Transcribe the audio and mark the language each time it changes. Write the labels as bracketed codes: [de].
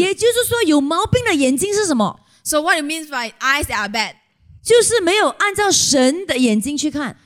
[zh] 也就是说有毛病的眼睛是什么？ [en] So what it means by eyes that are bad? [zh] 就是没有按照神的眼睛去看。